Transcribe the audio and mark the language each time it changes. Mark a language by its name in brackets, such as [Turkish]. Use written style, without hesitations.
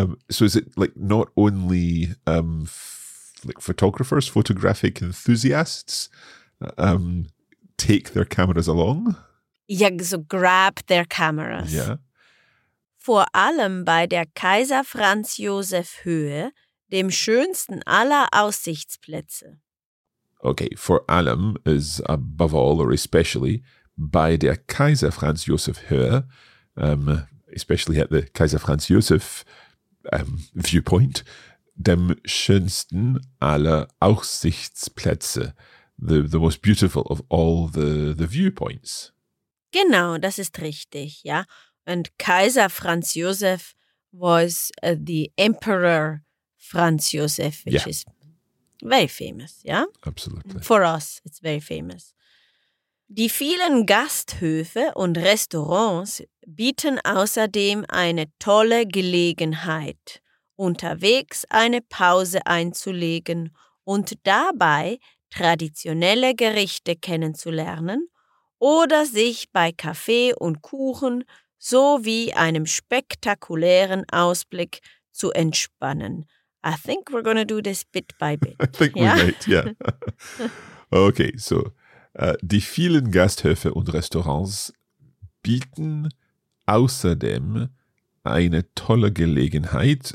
[English] So is it like not only like photographers, photographic enthusiasts take their cameras along? Yeah, so grab their cameras. Yeah. [German] Vor allem bei der Kaiser Franz Josef Höhe, dem schönsten aller Aussichtsplätze. [English] Okay, [German] vor allem [English] is above all or especially [German] bei der Kaiser Franz Josef Höhe, [English] especially at the Kaiser Franz Josef viewpoint, [German] dem schönsten aller Aussichtsplätze, [English] the most beautiful of all the viewpoints. [German] Genau, das ist richtig, ja. [English] And Kaiser Franz Josef was the Emperor Franz Josef, which is very famous, ja? Absolutely. For us, it's very famous. [German] Die vielen Gasthöfe und Restaurants bieten außerdem eine tolle Gelegenheit, unterwegs eine Pause einzulegen und dabei traditionelle Gerichte kennenzulernen oder sich bei Kaffee und Kuchen sowie einem spektakulären Ausblick zu entspannen. [English] I think we're going to do this bit by bit. I think we might, yeah. Okay, so, [German] die vielen Gasthöfe und Restaurants bieten außerdem eine tolle Gelegenheit.